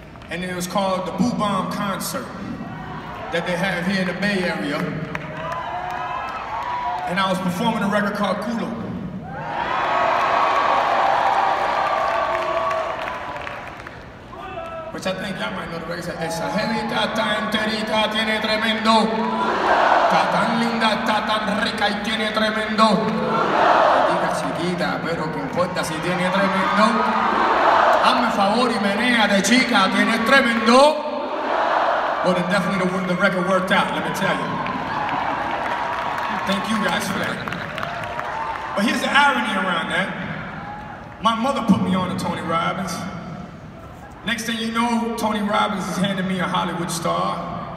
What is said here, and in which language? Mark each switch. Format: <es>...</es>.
<en>And it was called the Boo Bomb Concert that they have here in the Bay Area. And I was performing a record called Kulo. Which I think y'all might know the record.</en> <es>Esa jevita está enterita, tiene tremendo. Está tan linda, está tan rica y tiene tremendo. Chiquita, chiquita, pero que importa si tiene tremendo. Hazme favor y menea de chica, tiene tremendo.</es> <en>Well, then definitely the record worked out, let me tell you. Thank you guys for that. But here's the irony around that. My mother put me on to Tony Robbins. Next thing you know, Tony Robbins is handing me a Hollywood star.</en>